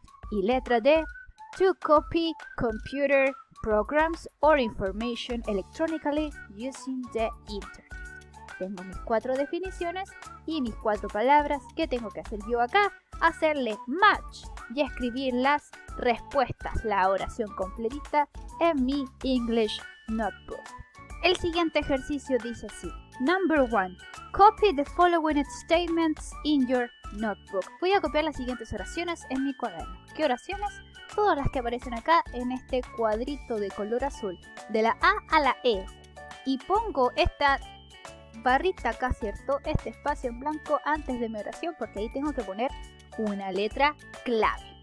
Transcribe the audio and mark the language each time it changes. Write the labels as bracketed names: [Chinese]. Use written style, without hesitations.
[Spanish] Y letra D, [English] to copy computer programs or information electronically using the internet. [Spanish] Tengo mis cuatro definiciones y mis cuatro palabras que tengo que hacer yo acá, hacerle match y escribir las respuestas, la oración completita en mi [English] English notebook. [Spanish] El siguiente ejercicio dice así. [English] Number one, copy the following statements in your notebook. [Spanish] Voy a copiar las siguientes oraciones en mi cuaderno. ¿Qué oraciones? Todas las que aparecen acá en este cuadrito de color azul, de la A a la E. Y pongo esta barrita acá, ¿cierto? Este espacio en blanco antes de mi oración, porque ahí tengo que poner una letra clave.